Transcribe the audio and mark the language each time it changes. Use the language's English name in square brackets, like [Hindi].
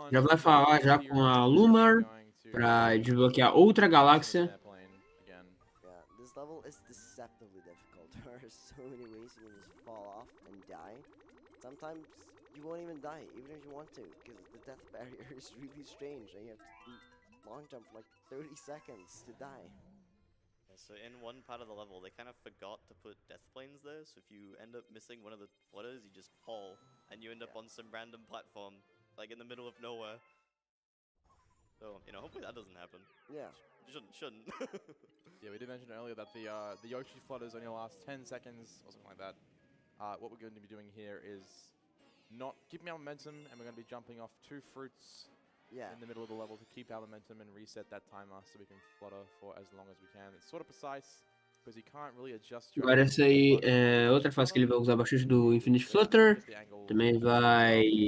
[Portuguese] Já vai falar já com a Lumar pra desbloquear outra galáxia. [English] Yeah, this level is deceptively difficult. There are so many ways you can just fall off and die. Sometimes you won't even die, even if you want to, because the death barrier is really strange and you have to do long jump for like 30 seconds to die. Yeah, so in one part of the level, they kind of forgot to put death planes there, so if you end up missing one of the flutters, you just fall, and you end up on some random platform, like in the middle of nowhere. So, you know, hopefully that doesn't happen. Yeah. Shouldn't. Yeah, we did mention earlier that the Yoshi flutters only last 10 seconds or something like that. What we're going to be doing here is not keeping our momentum, and we're going to be jumping off two fruits in the middle of the level to keep our momentum and reset that timer so we can flutter for as long as we can. It's sort of precise, because you can't really adjust your... [Portuguese] Agora essa aí é outra fase que ele vai usar bastante do Infinite Flutter. Também vai...